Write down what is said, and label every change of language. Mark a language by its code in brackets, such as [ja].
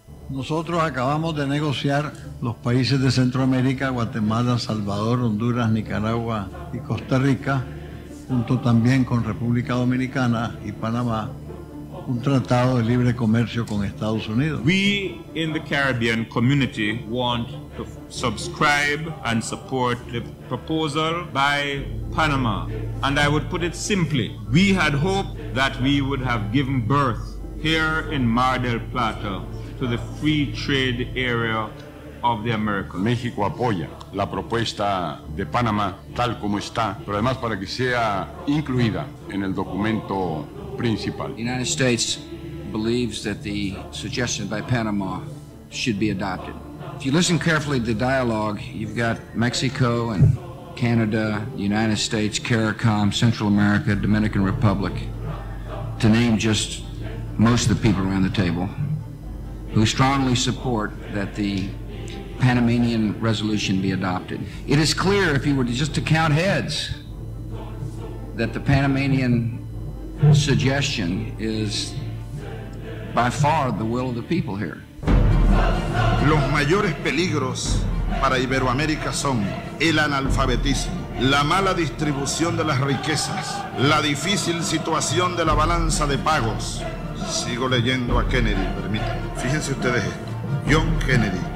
[es] Nosotros acabamos de negociar los países de Centroamérica, Guatemala, Salvador, Honduras, Nicaragua y Costa Rica, junto también con República Dominicana y Panamá, un tratado de libre comercio con Estados Unidos. [en] We in the Caribbean community want to subscribe and support the proposal by Panama. And I would put it simply, we had hoped that we would have given birth here in Mar del Plata to the free trade area of the Americas. [es] México apoya la propuesta de Panamá tal como está, pero además para que sea incluida en el documento principal. [en] The United States believes that the suggestion by Panama should be adopted. If you listen carefully to the dialogue, you've got Mexico and Canada, the United States, CARICOM, Central America, Dominican Republic, to name just most of the people around the table, who strongly support that the Panamanian resolution be adopted. It is clear, if you were just to count heads, that the Panamanian suggestion is by far the will of the people here. [es] Los mayores peligros para Iberoamérica son el analfabetismo, la mala distribución de las riquezas, la difícil situación de la balanza de pagos. Sigo leyendo a Kennedy, permítanme. Fíjense ustedes esto. John Kennedy.